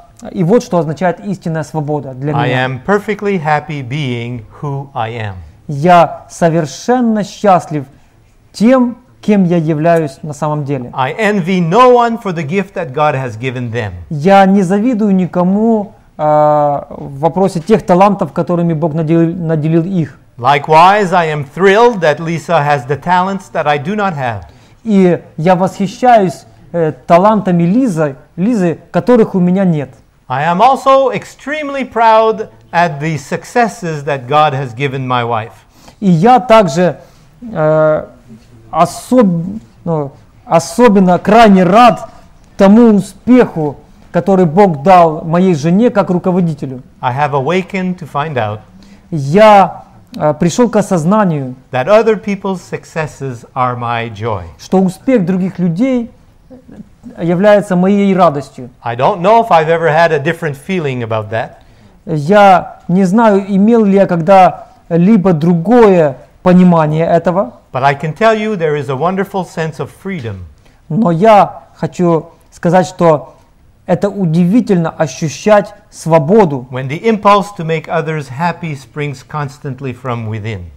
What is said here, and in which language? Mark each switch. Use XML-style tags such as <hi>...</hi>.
<ru>И вот что означает истинная свобода для меня.</ru> <en>I am perfectly happy being who I am.</en> <ru>Я совершенно счастлив тем, кем я являюсь на самом деле.</ru> <en>I envy no one for the gift that God has given them.</en> <ru>Я не завидую никому в вопросе тех талантов, которыми Бог наделил их.</ru> <en>Likewise, I am thrilled that Lisa has the talents that I do not have.</en> <ru>И я восхищаюсь талантами Лизы, которых у меня нет.</ru> <en>I am also extremely proud at the successes that God has given my wife.</en> <ru>И я также особенно крайне рад тому успеху, который Бог дал моей жене как руководителю.</ru> <en>I have awakened to find out.</en> <ru>Я пришел к осознанию,</ru> <en>that other people's successes are my joy.</en> <ru>Что успех других людей является моей радостью.</ru> <en>I don't know if I've ever had a different feeling about that.</en> <ru>Я не знаю, имел ли я когда-либо другое понимание этого.</ru> <en>But I can tell you there is a wonderful sense of freedom.</en> <ru>Но я хочу сказать, что это удивительно ощущать свободу.</ru> <en>When the impulse to make others happy springs constantly from within.</en>